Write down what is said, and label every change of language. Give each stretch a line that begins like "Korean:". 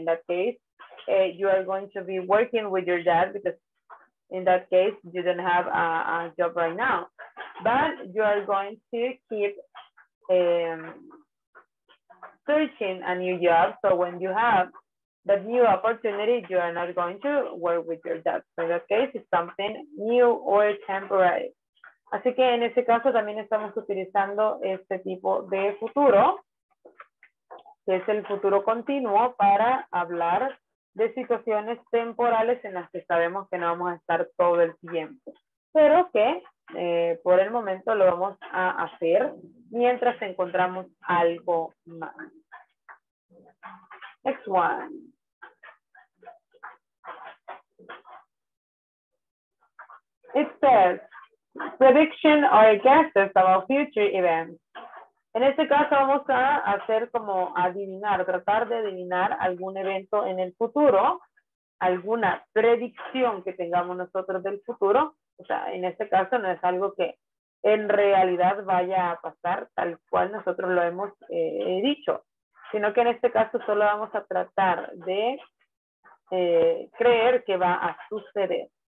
English: In that case, you are going to be working with your dad because in that case, you didn't have a job right now. But you are going to keep searching a new job. So when you have that new opportunity, you are not going to work with your dad. So in that case, it's something new or temporary.
Spanish: Así que en ese caso también estamos utilizando este tipo de futuro, que es el futuro continuo, para hablar de situaciones temporales en las que sabemos que no vamos a estar todo el tiempo, pero que por el momento lo vamos a hacer mientras encontramos algo más.
English: Next one. It says, prediction or guesses about future events.
Spanish: En este caso vamos a hacer como adivinar, tratar de adivinar algún evento en el futuro, alguna predicción que tengamos nosotros del futuro. O sea, en este caso no es algo que en realidad vaya a pasar tal cual nosotros lo hemos dicho, sino que en este caso solo vamos a tratar de creer que va a suceder.